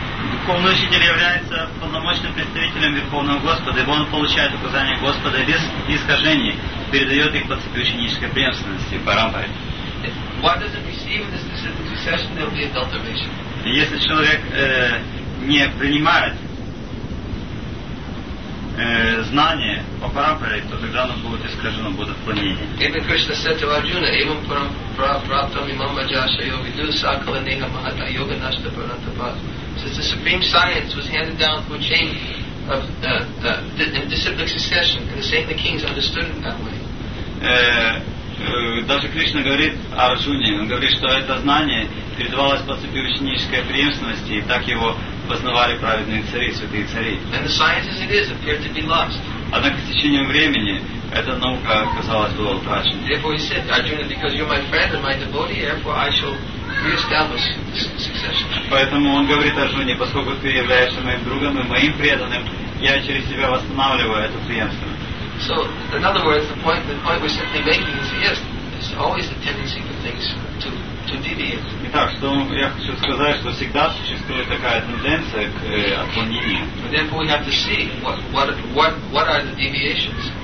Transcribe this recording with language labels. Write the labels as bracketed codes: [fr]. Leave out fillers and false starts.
[ru] Духовный учитель является полномочным представителем Верховного Господа, ибо он получает указания Господа без искажений, передает их по цепи ученической преемственности, парампаре. [en] What does it receive in this descent and succession? There will be adulteration. [ru] Если человек не принимает знания по парампаре, то тогда оно будет искажено, будет отклонение. Ибн Кришна [en] said to Арджуна, Ибн Прапрапта Мимамаджаша Йовиду Сакала Неха Махата Йога Нашта Паратапад. Since the supreme science was handed down through a chain of disciplic succession, and the saintly kings understood it that way. [ru] Даже Кришна говорит о Арджуне, он говорит, что это знание передавалось по цепи ученической преемственности, и так его познавали праведные цари, святые цари. [en] And the science as it is appeared to be lost. [ru] Однако с течением времени эта наука оказалась была утрачена. [en] Therefore he said, Arjuna, because you're my friend and my devotee, therefore I shall re-establish succession. [ru] Поэтому он говорит Арджуне, поскольку ты являешься моим другом и моим преданным, я через тебя восстанавливаю эту преемственность. [en] So, in other words, the point we're simply making is yes, there's always the tendency for things to deviate. [ru] Итак, что я хочу сказать, что всегда существует такая тенденция к отклонению. [en] But therefore we have to see what are the deviations.